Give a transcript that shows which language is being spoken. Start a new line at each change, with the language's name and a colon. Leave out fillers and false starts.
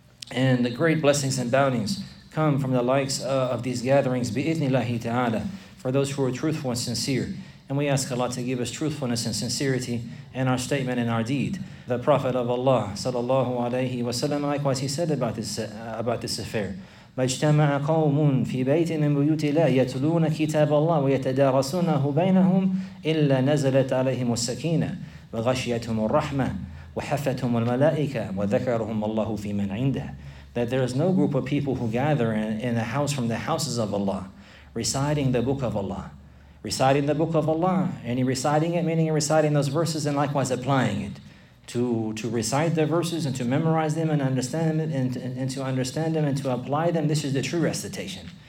English: And the great blessings and bounties come from the likes of these gatherings, bi'idhnillahi ta'ala, for those who are truthful and sincere. And we ask Allah to give us truthfulness and sincerity in our statement and our deed. The Prophet of Allah, sallallahu alayhi wa sallam, likewise, he said about this affair.
Arabic: مجتمع قوم في بيت من بيوت الله يتلون كتاب الله ويتدارسونه بينهم إلا نزلت عليهم السكينة وغشيتهم الرحمة وحفتهم الملائكة وذكرهم الله في من عنده.
English: That there is no group of people who gather in a house from the houses of Allah, reciting the book of Allah. Reciting the book of Allah, and reciting it, meaning reciting those verses and likewise applying it. To recite the verses and to memorize them and understand them and to understand them and to apply them, this is the true recitation.